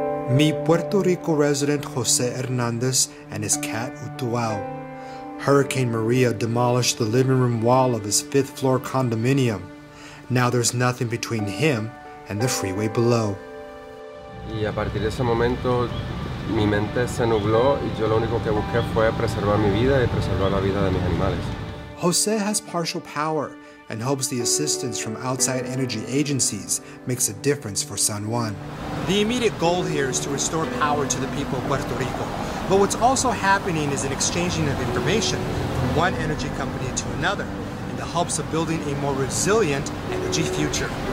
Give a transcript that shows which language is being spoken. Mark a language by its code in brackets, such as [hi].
[en] Mi Puerto Rico resident Jose Hernandez and his cat Utuau. Hurricane Maria demolished the living room wall of his fifth floor condominium. Now there's nothing between him and the freeway below. [es] Y a partir de ese momento, mi mente se nubló y yo lo único que busqué fue preservar mi vida y preservar la vida de mis animales. [en] Jose has partial power and hopes the assistance from outside energy agencies makes a difference for San Juan. The immediate goal here is to restore power to the people of Puerto Rico. But what's also happening is an exchanging of information from one energy company to another in the hopes of building a more resilient energy future.